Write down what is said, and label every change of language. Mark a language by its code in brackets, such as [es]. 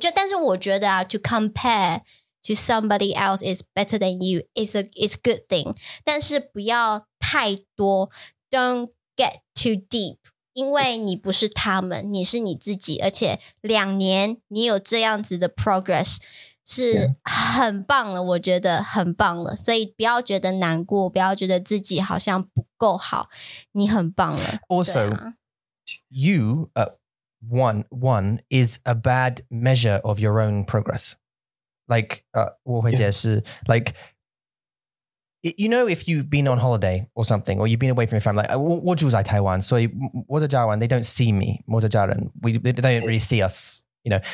[zh] 但是我觉得啊, [en] to compare to somebody else is better than you is a it's good thing. [zh] 但是不要太多, [en] don't get too deep. [zh] 因为你不是他们, 你是你自己, 而且两年你有这样子的 progress 是很棒了, 我觉得很棒了, 所以不要觉得难过, 不要觉得自己好像不够好, 你很棒了, [en] also, you, one is a bad measure of your own progress. Like, [zh] 我会解释, [en] like, you know, if you've been on holiday or something, or you've been away from your family, like, [zh] 我住在台湾, 所以我的家人, [en] they don't see me, [zh] 我的家人, [en] they don't really see us, you know.